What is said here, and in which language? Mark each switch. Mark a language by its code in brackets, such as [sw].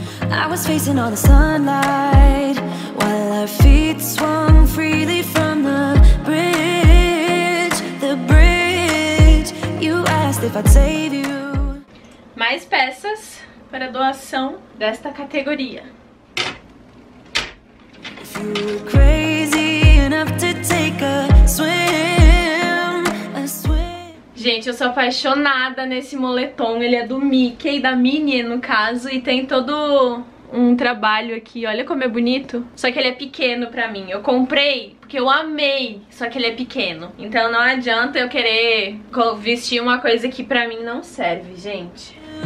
[en] I was facing all the sunlight while our feet swung freely from the bridge, the bridge. You asked if I'd save you. [pt] Mais peças para doação desta categoria. [en] If you were crazy enough to take a swim, a swim. [pt] Gente, eu sou apaixonada nesse moletom. Ele é do Mickey, da Minnie no caso, e tem todo um trabalho aqui, olha como é bonito. Só que ele é pequeno pra mim. Eu comprei porque eu amei, só que ele é pequeno. Então não adianta eu querer vestir uma coisa que pra mim não serve, gente.